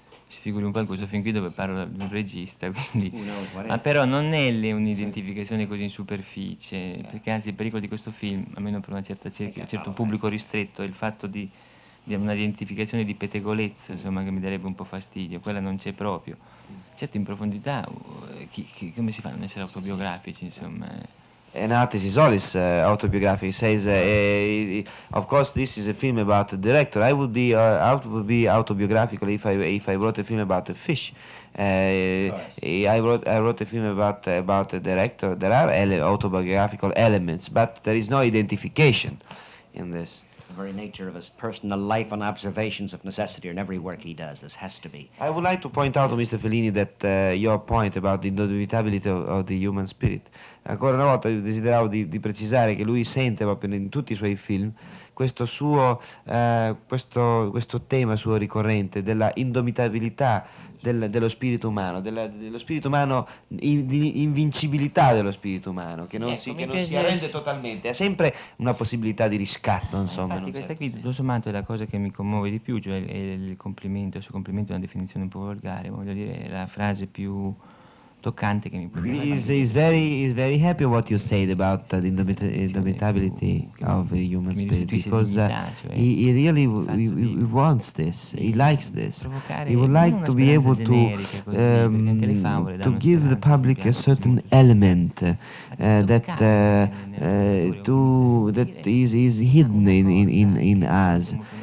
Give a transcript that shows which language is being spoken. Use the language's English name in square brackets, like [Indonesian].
[Italian] Si figuri un po' in questo film qui dove parlo di un regista, quindi. Ma però non è un'identificazione così in superficie, perché anzi il pericolo di questo film, almeno per una certa un certo pubblico ristretto, è il fatto di una identificazione di pettegolezza, insomma, che mi darebbe un po' fastidio, quella non c'è proprio. Certo, in profondità, come si fa a non essere autobiografici, insomma? [English] An artist is always autobiographic. He says, "Of course, this is a film about the director. I would be autobiographical if I wrote a film about the fish. I wrote a film about the director. There are autobiographical elements, but there is no identification in this. The very nature of his personal life and observations of necessity in every work he does. This has to be. I would like to point out to Mr. Fellini that your point about the indomitability of the human spirit." [Italian] Ancora una volta desideravo di precisare che lui sente proprio in tutti i suoi film questo suo questo tema suo ricorrente della indomitabilità dello spirito umano, dello spirito umano, di invincibilità dello spirito umano, che non, ecco, che non si arrende totalmente, ha sempre una possibilità di riscatto, insomma. Infatti questa qui, tutto sommato, è la cosa che mi commuove di più, cioè il complimento, il suo complimento è una definizione un po' volgare, voglio dire, è la frase più... toccante che mi può. [English] He's very happy what you said about the indomitability of a human spirit, because he really he wants this, he likes this, he would like to be able to give the public a certain element that is hidden in us.